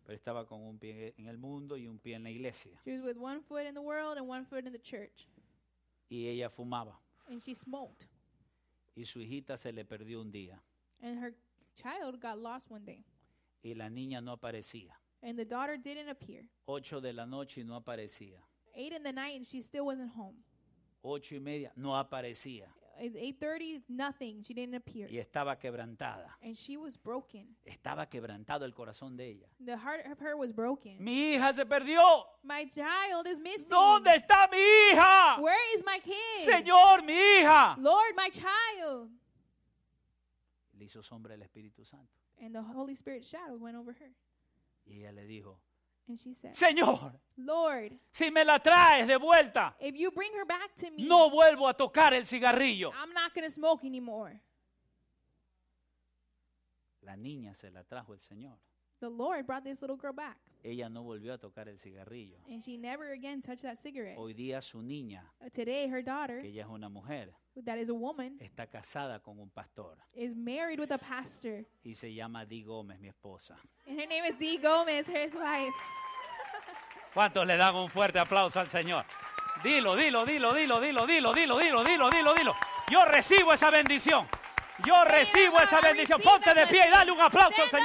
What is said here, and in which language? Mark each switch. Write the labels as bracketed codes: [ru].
[es] Pero estaba con un pie en el mundo y un pie en la iglesia. [en] She was with one foot in the world and one foot in the church. [es] Y ella fumaba. [en] And she smoked. [es] Y su hijita se le perdió un día. [en] And her child got lost one day. [es] Y la niña no aparecía. [en] And the daughter didn't appear. [es] 8 de la noche y no aparecía. [en] 8 in the night and she still wasn't home. [es] 8:30, no aparecía. [en] 8:30, nothing. She didn't appear. [es] Y estaba quebrantada. [en] And she was broken. [es] Estaba quebrantado el corazón de ella. [en] The heart of her was broken. [es] Mi hija se perdió. [en] My child is missing. [es] ¿Dónde está mi hija? [en] Where is my kid? [es] Señor, mi hija. [en] Lord, my child. [es] Le hizo sombra el Espíritu Santo. [en] And the Holy Spirit's shadow went over her. [es] Y ella le dijo, [en] and she said, [es] Señor, [en] Lord, [es] si me la traes de vuelta, [en] if you bring her back to me, [es] no vuelvo a tocar el cigarrillo. [en] I'm not going to smoke anymore. [es] La niña se la trajo el Señor. [en] The Lord brought this little girl back. [es] Ella no volvió a tocar el cigarrillo. [en] And she never again touched that cigarette. [es] Hoy día su niña, [en] today her daughter, [es] que ella es una mujer, [en] that is a woman, [es] está casada con un pastor, [en] is married with a pastor, [es] y se llama Dee Gómez, mi esposa. [en] And her name is Dee Gómez, her wife. [es] ¿Cuántos le dan un fuerte aplauso al Señor? Dilo, dilo, dilo, dilo, dilo, dilo, dilo, dilo, dilo, dilo, dilo. Yo recibo esa bendición. Yo recibo esa bendición. Ponte de pie y dale un aplauso al Señor.